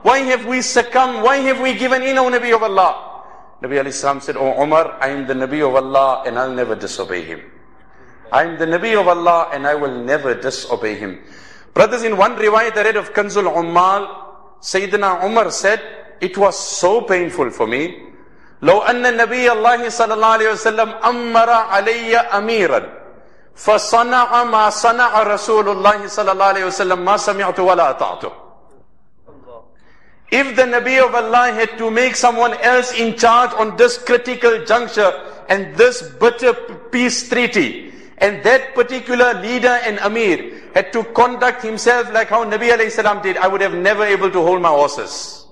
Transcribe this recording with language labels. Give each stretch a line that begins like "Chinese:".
English: Why have we succumbed? Why have we given in, O Nabi of Allah? Nabi alayhi salam said, O Umar, I am the Nabi of Allah and I'll never disobey him. I am the Nabi of Allah and I will never disobey him. Brothers, in one riwayat I read of Kanzul Ummal, Sayyidina Umar said, it was so painful for me.
Arabic: لو أن النبي الله صلى الله عليه وسلم أمر علي أميرا فصنع ما صنع رسول الله صلى الله عليه وسلم ما سمعت ولا أطعته.
English: If the Nabi of Allah had to make someone else in charge on this critical juncture and this bitter peace treaty, and that particular leader and Amir had to conduct himself like how Nabi alayhi salam did, I would have never able to hold my horses.